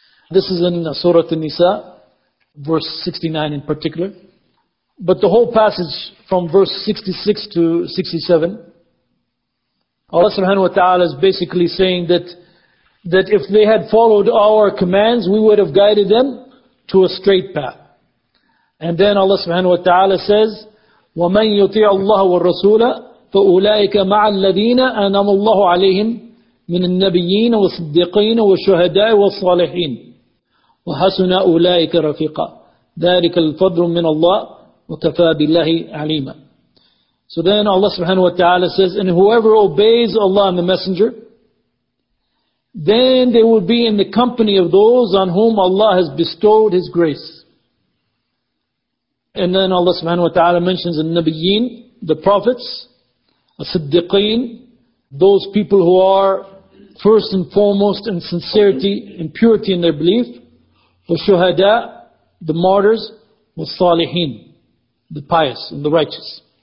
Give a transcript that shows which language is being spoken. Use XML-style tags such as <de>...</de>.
<en>This is in Surah An-Nisa, verse 69 in particular. But the whole passage from verse 66 to 67, Allah subhanahu wa ta'ala is basically saying that if they had followed our commands, we would have guided them to a straight path. And then Allah subhanahu wa ta'ala says,</en> <ar>وَمَنْ يُطِعَ اللَّهَ وَالرَّسُولَ فَأُولَٰئِكَ مَعَ الَّذِينَ أَنَمُ اللَّهُ عَلَيْهِمْ مِنَ النَّبِيِّينَ وَالصِّدِّقِينَ وَالشُّهَدَاءِ وَالصَّالِحِينَ وَحَسُنَ أُولَٰئِكَ رَفِيقًا ذَلِكَ الْفَضْلُ مِنَ اللَّهِ وَكَفَى بِاللَّهِ عَلِيمًا.</ar> <en>So then Allah subhanahu wa ta'ala says, and whoever obeys Allah and the Messenger, then they will be in the company of those on whom Allah has bestowed His grace. And then Allah subhanahu wa ta'ala mentions the Nabiyeen, the prophets, As-Siddiqeen, those people who are first and foremost in sincerity and purity in their belief, Al-Shuhada, the martyrs, Al-Salihin, the pious and the righteous.</en>